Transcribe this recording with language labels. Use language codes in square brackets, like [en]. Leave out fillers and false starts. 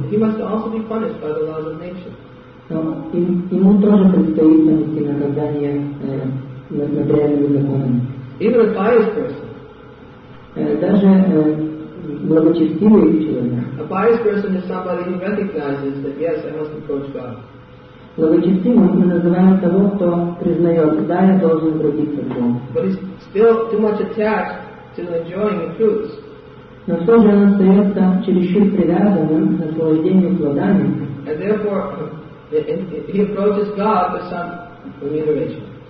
[en] he must also be punished by the laws of nature. [ru] Ему тоже предстоит нанести наказание материальными законами. [en] Even a pious person. [ru] Даже благочестивый человек. [en] A pious person is somebody who recognizes that yes, I must approach God. [ru] Благочестивым мы называем того, кто признает, да, я должен обратиться к Богу. [en] But he's still too much attached to enjoying the fruits. [ru] Но все же он остается чересчур привязанным к наслаждению плодами. [en] And therefore, he approaches God for some remuneration.